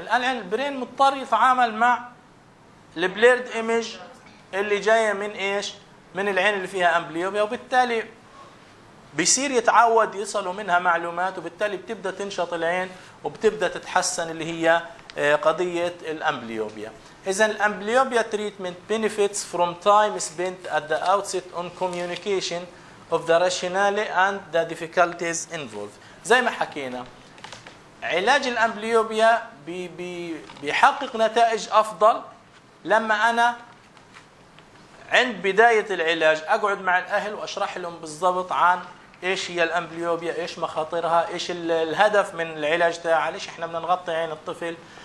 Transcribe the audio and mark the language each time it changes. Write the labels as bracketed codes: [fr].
[ar] الان البرين مضطر يتعامل مع البليرد ايمج اللي جايه من ايش؟ من العين اللي فيها امبليوبيا، وبالتالي بيصير يتعود يصلوا منها معلومات، وبالتالي بتبدا تنشط العين وبتبدا تتحسن، اللي هي قضيه الامبليوبيا. إذن الأمبليوبيا [en] treatment benefits from time spent at the outset on communication of the rationale and the difficulties involved. [ar] زي ما حكينا، علاج الأمبليوبيا بيحقق نتائج أفضل لما أنا عند بداية العلاج أقعد مع الأهل وأشرح لهم بالضبط عن إيش هي الأمبليوبيا، إيش مخاطرها، إيش الهدف من العلاج تاعها، ليش إحنا بنغطي عين الطفل.